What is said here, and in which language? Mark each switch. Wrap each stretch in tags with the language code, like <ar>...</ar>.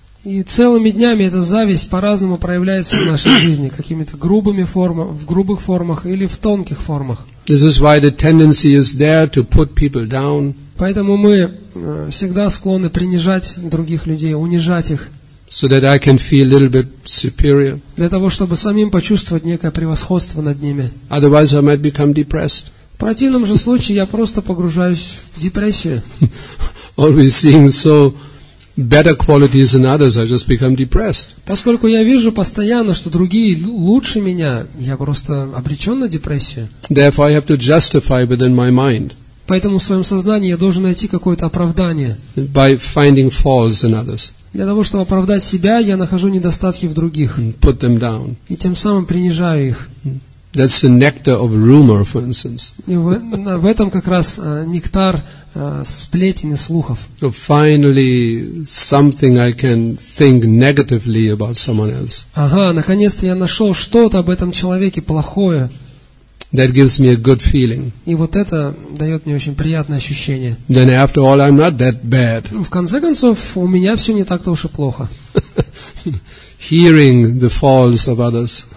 <ru>И целыми днями эта зависть по-разному проявляется в нашей жизни, какими-то грубыми формами, в грубых формах или в тонких формах.</ru> <en>This is why the tendency is there to put people down.</en> <ru>Поэтому мы всегда склонны принижать других людей, унижать их.</ru> <en>So that I can feel a little bit superior.</en> <ru>Для того, чтобы самим почувствовать некое превосходство над ними.</ru> <en>Otherwise I might become depressed.</en> <ru>В противном же случае я просто погружаюсь в депрессию.</ru> <en>Always seeing so better qualities in others, I just become depressed.</en> <ru>Поскольку я вижу постоянно, что другие лучше меня, я просто обречен на депрессию.</ru> <en>Therefore I have to justify within my mind.</en> <ru>Поэтому в своем сознании я должен найти какое-то оправдание.</ru> <en>By finding faults in others.</en> <ru>Для того, чтобы оправдать себя, я нахожу недостатки в других.</ru> <en>Put them down.</en> <ru>И тем самым принижаю их.</ru> <en>That's the nectar of rumor, for instance.</en> <ru>И в этом как раз нектар сплетен и слухов.</ru> <en>So finally, something I can think negatively about someone else.</en> <ru>Ага, наконец-то я нашел что-то об этом человеке плохое.</ru> <en>That gives me a good feeling.</en> <ru>И вот это дает мне очень приятное ощущение.</ru> <en>Then after all, I'm not that bad.</en> <ru>В конце концов, у меня все не так-то уж и плохо.</ru> <en>Hearing the faults of others.</en>